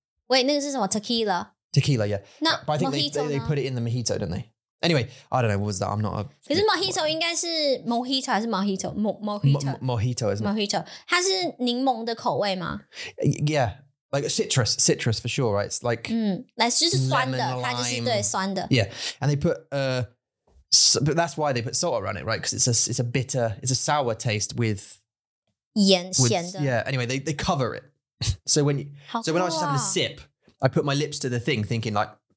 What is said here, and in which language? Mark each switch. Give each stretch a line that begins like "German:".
Chinese: Wait, 那个是什么 tequila?
English: Tequila, yeah. But I think they put it in the mojito, don't they? Anyway, I don't know, what was that? I'm not a...
Chinese: 可是 mojito 应该是 mojito 还是 mojito?
English: Mojito, isn't it?
Chinese: Mojito. 它是柠檬的口味吗?
English: Yeah, like citrus for sure, right? It's like...
Chinese: 嗯，就是酸的，它就是对，酸的。
English: Yeah, and they put... but that's why they put salt around it, right? Because it's a bitter, it's a sour taste with...
Chinese: 盐咸的。
English: Yeah, anyway, they cover it. So when I was just having a sip, I put my lips to the thing thinking like...